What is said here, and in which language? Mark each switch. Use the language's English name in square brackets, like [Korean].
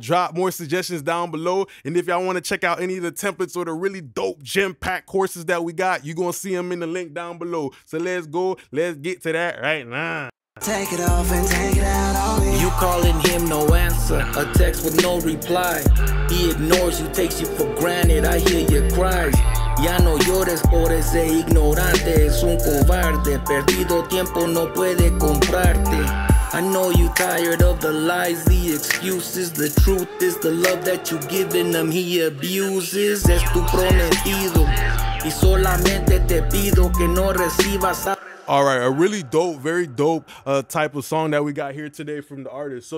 [English] Drop more suggestions down below. And if y'all want to check out any of the templates or the really dope gem-packed courses that we got, you're going to see them in the link down below. So let's go. Let's get to that right now. Take it off and take it out on me. You calling him, no answer. A text with no reply. He ignores you, takes you for granted. I hear your cries. [Spanish] Ya no llores por ese ignorante. Es un cobarde. Perdido tiempo no puede comprarte. [English] I know you tired of the lies, the excuses. The truth is the love that you giving him he abuses. [Spanish] Es tu prometido. Y solamente te pido que no recibas a... [English] All right, a really dope, very dope type of song that we got here today from the artist.